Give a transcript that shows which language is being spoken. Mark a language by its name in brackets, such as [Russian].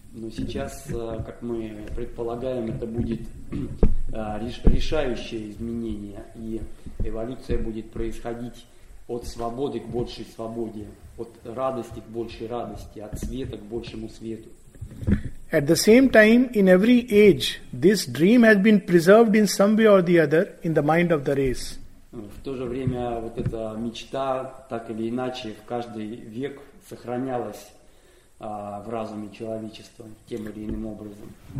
[Russian] Но сейчас, как мы предполагаем, это будет решающее изменение, и эволюция будет происходить от свободы к большей свободе, от радости к большей радости, от света к большему свету. [English] At the same time, in every age, this dream has been preserved in some way or the other in the mind of the race. [Russian] В то же время вот эта мечта так или иначе в каждый век сохранялась в разуме человечества тем или иным образом.